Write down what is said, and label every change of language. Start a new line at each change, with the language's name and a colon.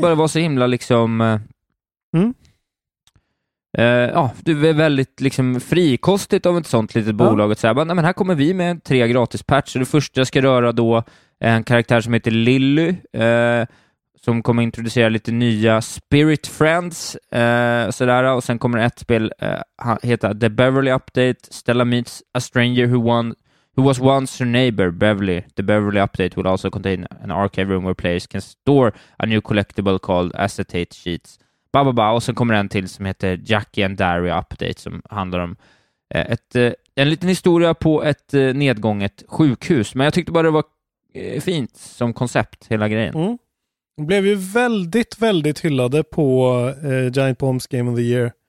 Swedish: bara det var så himla liksom ja, du är väldigt liksom frikostigt av ett sånt litet bolag att säga, nej men här kommer vi med 3 gratis patch. Det första jag ska röra då en karaktär som heter Lily som kommer introducera lite nya Spirit Friends sådär, och sen kommer ett spel heta The Beverly Update.
English: Stella meets a stranger who was once her neighbor, Beverly. The Beverly Update will also contain an archive room where players can store a new collectible called acetate sheets. Ba-ba-ba.
Swedish: Och sen kommer en till som heter Jackie and Dairy Update, som handlar om en liten historia på ett nedgånget sjukhus. Men jag tyckte bara det var fint som koncept, hela grejen. Mm. De blev ju väldigt, väldigt hyllade på Giant Bombs Game of the Year.